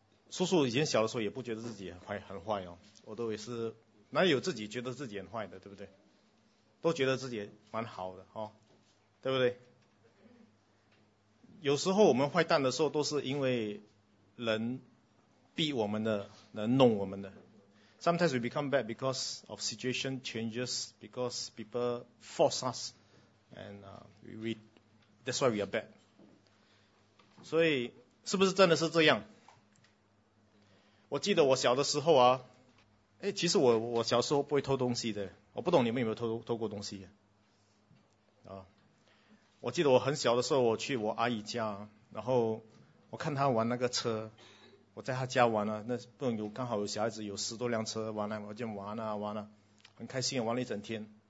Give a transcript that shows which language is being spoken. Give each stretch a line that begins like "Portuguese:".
Chinese: 叔叔以前小的时候也不觉得自己很坏哦，我都也是哪有自己觉得自己很坏的，对不对？都觉得自己蛮好的哦，对不对？有时候我们坏蛋的时候都是因为人逼我们的，人弄我们的。
English: Sometimes we become bad because of situation changes, because people force us, and that's why we are bad.
Chinese: 所以是不是真的是这样？我记得我小的时候啊，其实我小时候不会偷东西的。我不懂你们有没有偷过东西啊。我记得我很小的时候，我去我阿姨家，然后我看她玩那个车，我在她家玩了，那不能有刚好有小孩子有十多辆车玩了，我就玩了，很开心，玩了一整天。